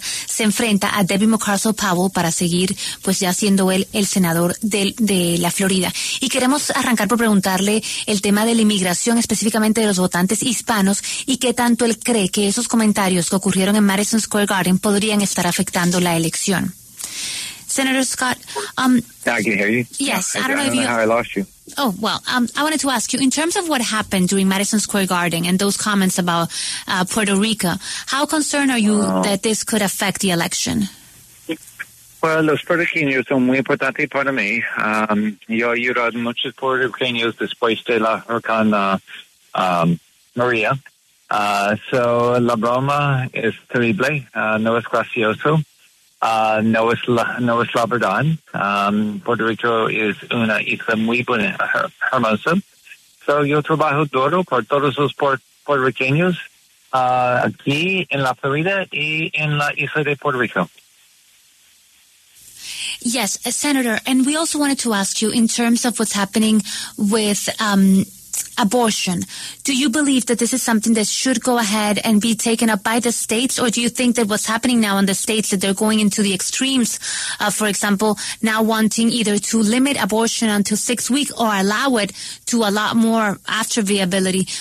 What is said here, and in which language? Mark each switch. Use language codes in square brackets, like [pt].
[es] Se enfrenta a Debbie McCarthy Powell para seguir, pues ya siendo él el senador de la Florida. Y queremos arrancar por preguntarle el tema de la inmigración, específicamente de los votantes hispanos, y qué tanto él cree que esos comentarios que ocurrieron en Madison Square Garden podrían estar afectando la elección. [en] Senator Scott, I wanted to ask you, in terms of what happened during Madison Square Garden and those comments about Puerto Rico, how concerned are you that this could affect the election? Well, [es] los puertorriqueños son muy importantes para mí. Yo he ayudado a muchos puertorriqueños después de la hurricane Maria. So la broma es terrible, no es gracioso. No es la verdad. Puerto Rico es una isla muy buena, hermosa. So yo trabajo duro por todos los puertorriqueños aquí en la Florida y en la isla de Puerto Rico. [en] Yes, Senator, and we also wanted to ask you in terms of what's happening with abortion. Do you believe that this is something that should go ahead and be taken up by the states, or do you think that what's happening now in the states, that they're going into the extremes, for example, now wanting either to limit abortion until 6 weeks or allow it to a lot more after viability?